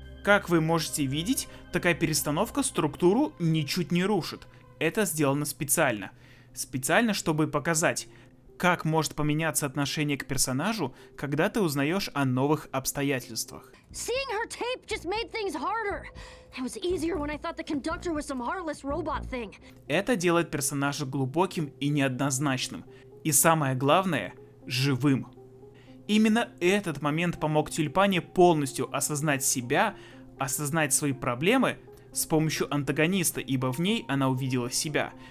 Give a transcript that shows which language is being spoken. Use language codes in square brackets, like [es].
[ru] Как вы можете видеть, такая перестановка структуру ничуть не рушит. Это сделано специально. Специально, чтобы показать, как может поменяться отношение к персонажу, когда ты узнаешь о новых обстоятельствах. [en] Seeing her tape just made things harder. It was easier when I thought the conductor was some heartless robot thing. [ru] Это делает персонажа глубоким и неоднозначным. И самое главное, живым. Именно этот момент помог Тюльпане полностью осознать себя, осознать свои проблемы с помощью антагониста, ибо в ней она увидела себя.